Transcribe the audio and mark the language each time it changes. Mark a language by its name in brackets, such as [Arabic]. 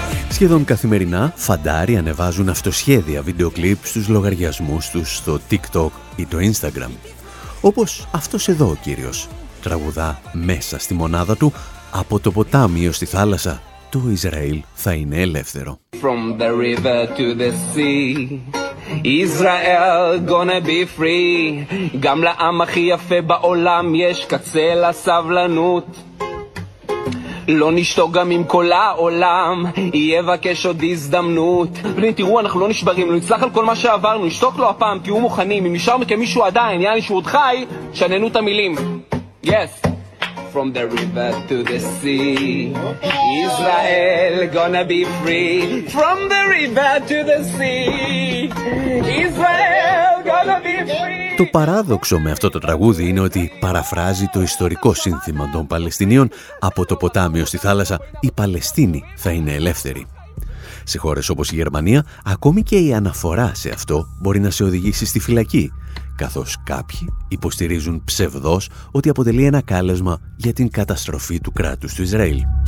[Greek] Σχεδόν καθημερινά, φαντάροι ανεβάζουν αυτοσχέδια βίντεο κλιπ στους λογαριασμούς τους στο TikTok ή το Instagram. Όπως αυτός εδώ ο κύριος, τραγουδά μέσα στη μονάδα του «Από το ποτάμι ως τη θάλασσα, το Ισραήλ θα είναι ελεύθερο». [English] From the river to the sea, Israel gonna be free. [Hebrew] Γαμ לעם הכי יפה בעולם יש קצה לסבלנות. לא נשתוק גם עם כל העולם, יבקש עוד הזדמנות. בני, תראו, אנחנו לא נשברים, לא נצלח על כל מה שעברנו, נשתוק לו הפעם, תהיו מוכנים, אם נשאר מכם מישהו עדיין, יעני שהוא עוד חי, שננו את המילים. [English] Yes. From the river to the sea, Israel gonna be free. From the river to the sea, Israel gonna be free. [Greek] Το παράδοξο με αυτό το τραγούδι είναι ότι παραφράζει το ιστορικό σύνθημα των Παλαιστινίων «Από το ποτάμι ως τη θάλασσα, η Παλαιστίνη θα είναι ελεύθερη». Σε χώρες όπως η Γερμανία, ακόμη και η αναφορά σε αυτό μπορεί να σε οδηγήσει στη φυλακή, καθώς κάποιοι υποστηρίζουν ψευδώς ότι αποτελεί ένα κάλεσμα για την καταστροφή του κράτους του Ισραήλ.